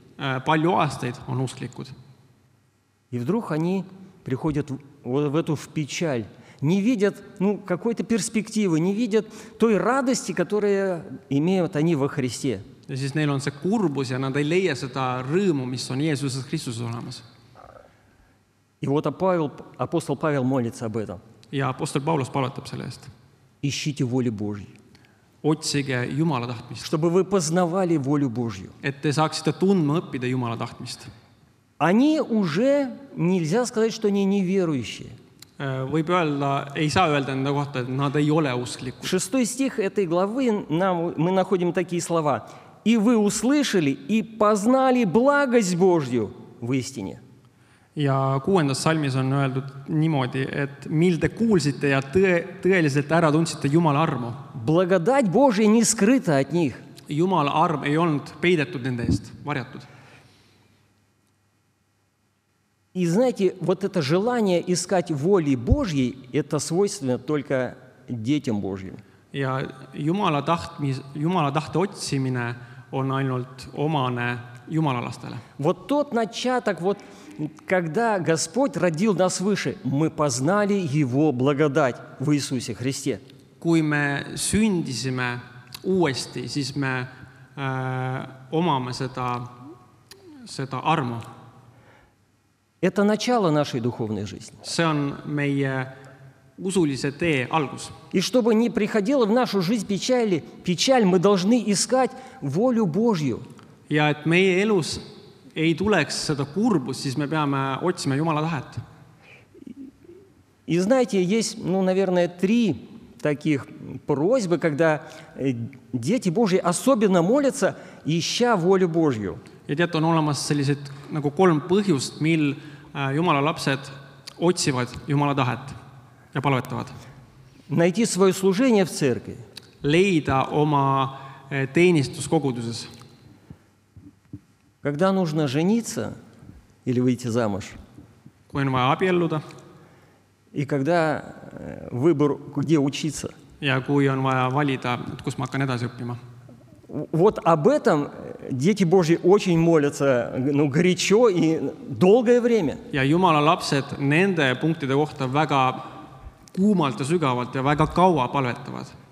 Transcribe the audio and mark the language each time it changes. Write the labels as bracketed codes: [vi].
[et] Palju aastaid on usklikud. [ru] И вдруг они приходят в эту в печаль, не видят, ну, какой-то перспективы, не видят той радости, которую имеют они во Христе. [et] Ja siis neil on see kurbus ja nad ei leia seda rõõmu, mis on Jeesuses Kristuses olemas. [ru] И вот апостол Павел молится об этом. [et] Ja апостол Павлос палатab selle eest. [ru] Ищите воли Божьей. [et] Otsige Jumala tahtmist. [ru] Чтобы вы познавали волю Божью. [et] Et te saaksite tundma õppida Jumala tahtmist. [ru] Они уже, нельзя сказать, что они неверующие. [et] Võib öelda, ei saa öelda enda kohta, et nad ei ole usklikud. [ru] Шестой стих этой главы, мы находим такие слова. И вы услышали и познали благость Божью в истине. [et] Ja kuuendas salmis on öeldud niimoodi, et mil te kuulsite ja tõeliselt ära tundsite Jumala armu. [ru] Благодать Божия не скрыта от них. [et] Jumala arm ei olnud peidetud nende eest, varjatud. [ru] И знаете, вот это желание искать воли Божьей, это свойственно только детям Божьим. [et] Ja Jumala tahte otsimine on ainult omane Jumala lastele. [ru] Вот тот начаток, вот когда Господь родил нас выше, мы познали Его благодать в Иисусе Христе. [et] Kui me sündisime uuesti, siis me omame seda armu. [ru] Это начало нашей духовной жизни. [et] See on meie usulise tee algus. [ru] И чтобы не приходило в нашу жизнь печаль, мы должны искать волю Божью. [et] Ja et meie elus ei tuleks seda kurbus, siis me peame otsima Jumala tahet. [ru] И знаете, есть, наверное, три таких просьбы, когда дети Божьи особенно молятся, ища волю Божью. [et] Ja teate, on olemas sellised nagu kolm põhjust, mil Jumala lapsed otsivad Jumala tahet ja palvetavad. [ru] Найти свое служение в церкви. [et] Leida oma teenistus koguduses. [ru] Когда нужно жениться или выйти замуж? [et] Kui on vaja abielluda. [ru] И когда выбор, где учиться? [et] Ja kui on vaja valida, kus ma hakkan edasi õppima. [ru] Вот об этом дети Божьи очень молятся, горячо и долгое время. [et] Ja Jumala lapsed nende punktide kohta väga kuumalt ja sügavalt ja väga kaua palvetavad.